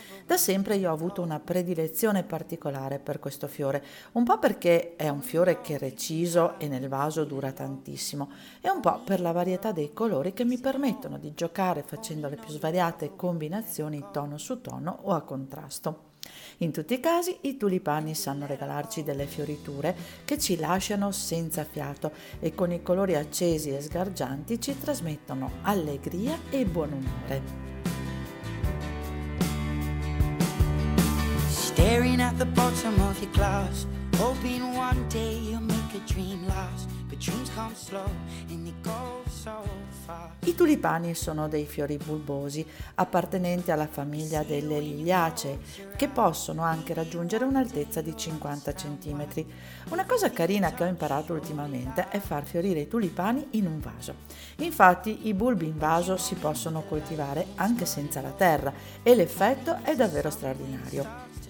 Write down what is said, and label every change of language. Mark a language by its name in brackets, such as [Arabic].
[Italian] Da sempre io ho avuto una predilezione particolare per questo fiore, un po' perché è un fiore che reciso e nel vaso dura tantissimo, e un po' per la varietà dei colori che mi permettono di giocare facendo le più svariate combinazioni tono su tono o a contrasto. In tutti i casi, i tulipani sanno regalarci delle fioriture che ci lasciano senza fiato e con i colori accesi e sgargianti ci trasmettono allegria e buon umore. [English] Staring at the bottom of your glass, hoping one day you'll make a dream last, but dreams come slow and they go so fast. [Italian] I tulipani sono dei fiori bulbosi appartenenti alla famiglia delle liliacee, che possono anche raggiungere un'altezza di 50 cm. Una cosa carina che ho imparato ultimamente è far fiorire i tulipani in un vaso. Infatti i bulbi in vaso si possono coltivare anche senza la terra e l'effetto è davvero straordinario.